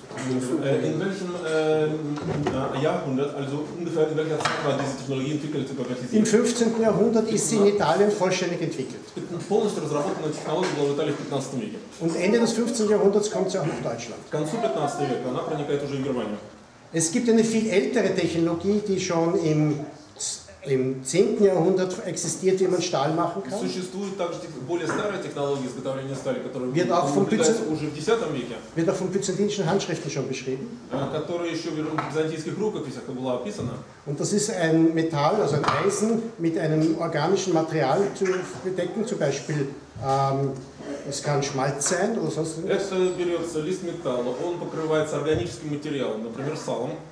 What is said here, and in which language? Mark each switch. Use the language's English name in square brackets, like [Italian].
[German] In welchem Jahrhundert, also ungefähr in welcher Zeit war diese Technologie entwickelt? Im 15. Jahrhundert ist sie in Italien vollständig entwickelt. [Russian] Полностью разработанная технология была в Италии в 15 веке. [German] Und Ende des 15. Jahrhunderts kommt sie auch nach Deutschland. [Russian] К концу 15 века она проникает уже в Германию. [German] Es gibt eine viel ältere Technologie, die schon im 10. Jahrhundert existiert, wie man Stahl machen kann. [Russian] Существует также более старая технология изготовления стали, которая [German] wird auch vom [Russian] уже в 10 веке. [German] Wird auch von byzantinischen Handschriften schon beschrieben. [Russian] Которая еще в византийских рукописях была описана. [German] Und das ist ein Metall, also ein Eisen, mit einem organischen Material zu bedecken, zum Beispiel es kann Schmalz sein oder sonst was. [Russian] Это берется лист металла, он покрывается органическим материалом, например, салом.